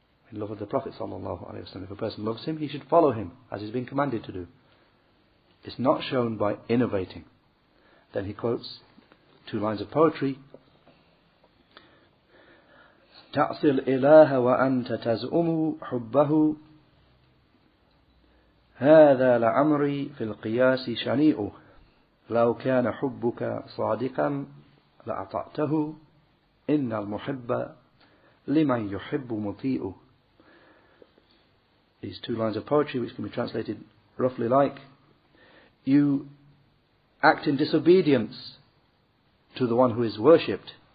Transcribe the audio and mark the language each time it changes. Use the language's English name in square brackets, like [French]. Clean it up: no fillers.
[English] In love of the Prophet sallallahu alaihi wasallam, if a person loves him, he should follow him as he's been commanded to do. It's not shown by innovating. Then he quotes two lines of poetry: [Arabic] "Ta'sil ilaha wa anta taz'umu hubbahu." هذا لعمري في القياس شنيء لو كان حبك صادقا لأطعته إن المحب لمن يحب مطيء. [English] These two lines of poetry, which can be translated roughly like, you act in disobedience to the one who is worshipped.